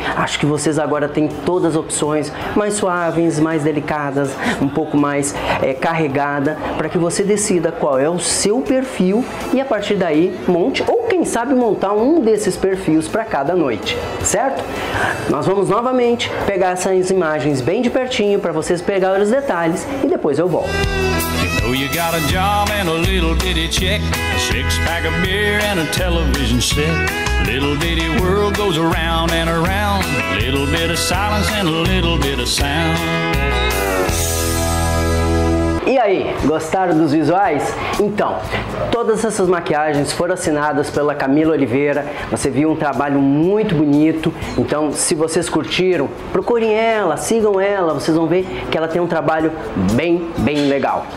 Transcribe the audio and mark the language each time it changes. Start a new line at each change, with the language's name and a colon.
Portuguese: Acho que vocês agora têm todas as opções mais suaves, mais delicadas, um pouco mais carregada, para que você decida qual é o seu perfil e a partir daí monte ou quem sabe montar um desses perfis para cada noite, certo? Nós vamos novamente pegar essas imagens bem de pertinho para vocês pegarem os detalhes e depois eu volto.
English: Oh, you got a job and a little bitty check, a six-pack of beer and a television set. Little bitty world goes around and around. Little bit of silence and a little bit of sound.
Portuguese: E aí, gostaram dos visuais? Então, todas essas maquiagens foram assinadas pela Camila Oliveira. Você viu um trabalho muito bonito. Então, se vocês curtiram, procurem ela, sigam ela. Vocês vão ver que ela tem um trabalho bem, bem legal.